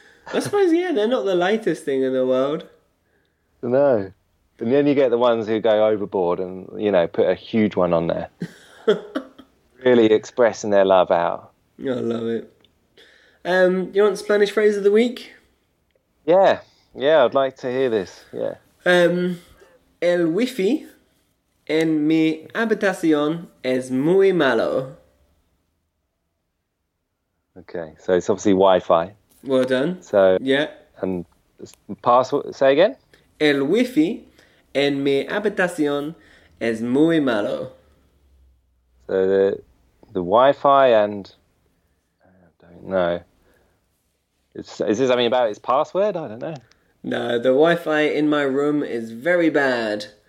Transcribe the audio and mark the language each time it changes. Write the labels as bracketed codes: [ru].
[en] I suppose, they're not the lightest thing in the world. No. And then you get the ones who go overboard and, put a huge one on there. really expressing their love out. I love it. You want the Spanish phrase of the week? Yeah. Yeah, I'd like to hear this. Yeah. [es] El wifi en mi habitación es muy malo. [en] Okay, so it's obviously Wi-Fi. Well done. So, yeah. And password, say again. [es] El wifi en mi habitación es muy malo. [en] So the Wi-Fi and, I don't know. Is this something about its password? I don't know. No, the Wi-Fi in my room is very bad.